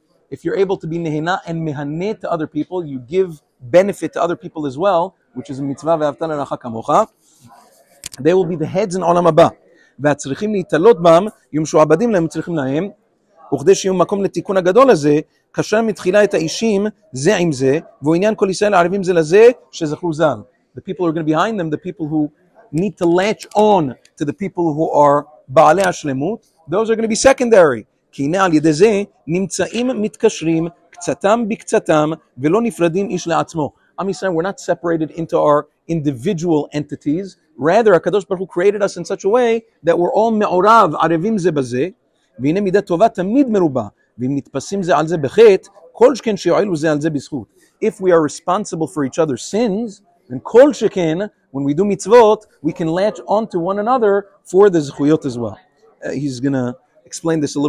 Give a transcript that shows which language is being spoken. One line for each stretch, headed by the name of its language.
English: If you're able to be nehena and mehane to other people, you give benefit to other people as well, which is a mitzvah
Hebrew: ve'avta l'racha kamocha,
English: they will be the heads in olam haba.
Hebrew: V'atzrichim li'italot bam, yom shu'abadim lehem, tzrichim lahem, וכדי שיהיו מקום לתיקון הגדול הזה, קשר מתחילה את האישים זה עם זה, ועניין כל ישראל ערבים זה לזה שזכרו זל.
English: The people who are going to be behind them, the people who need to latch on to the people who are בעלי השלמות, those are going to be secondary.
Hebrew: כי הנה על ידי זה נמצאים מתקשרים קצתם בקצתם ולא נפרדים איש לעצמו.
English: I'm saying we're not separated into our individual entities. Rather, הקדוש ברוך הוא created us in such a way that we're all מעורב,
Hebrew: ערבים זה בזה. והנה מידה טובה תמיד מרובה. ואם נתפסים זה על זה בחטא, כל שכן שיועילו זה על זה בזכות.
English: If we are responsible for each other's sins, then כל שכן, when we do mitzvot, we can latch onto one another for the זכויות as well. He's gonna explain this a little bit further. Very deep stuff from the Ramchal. We'll continue with Zat Hashem tomorrow. I'll explain what it meant.